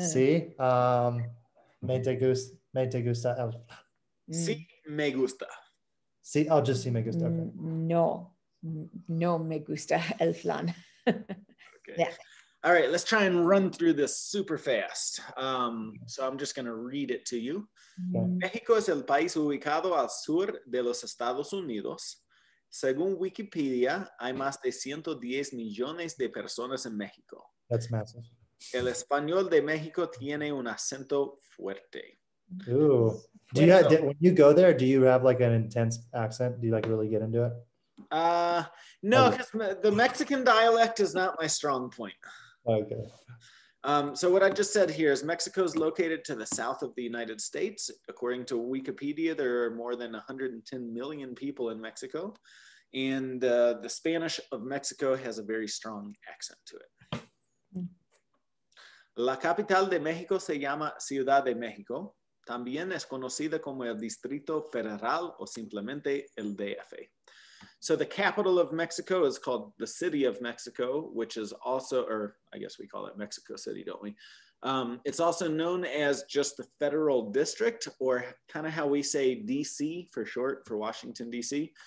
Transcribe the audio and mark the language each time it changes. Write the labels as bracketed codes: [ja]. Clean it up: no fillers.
[es] Sí. ¿Me te gusta el flan? Sí, me gusta. Sí, [en] I'll just see [es] me gusta. [en] Okay. [es] No me gusta el flan. [en] Okay. Yeah. All right, let's try and run through this super fast. So I'm just going to read it to you. Okay. [es] México es el país ubicado al sur de los Estados Unidos. Según Wikipedia, hay más de 110 millones de personas en México. [en] That's massive. [es] El español de México tiene un acento fuerte. Ooh. [en] When you go there, do you have like an intense accent? Do you like really get into it? No, because the Mexican dialect is not my strong point. Okay. So what I just said here is Mexico is located to the south of the United States. According to Wikipedia, there are more than 110 million people in Mexico. And the Spanish of Mexico has a very strong accent to it. [es] La capital de México se llama Ciudad de México. También es conocida como el Distrito Federal o simplemente el DF. [en] So the capital of Mexico is called the City of Mexico, which is also, or I guess we call it Mexico City, don't we? It's also known as just the Federal District, or kind of how we say DC for short, for Washington, DC.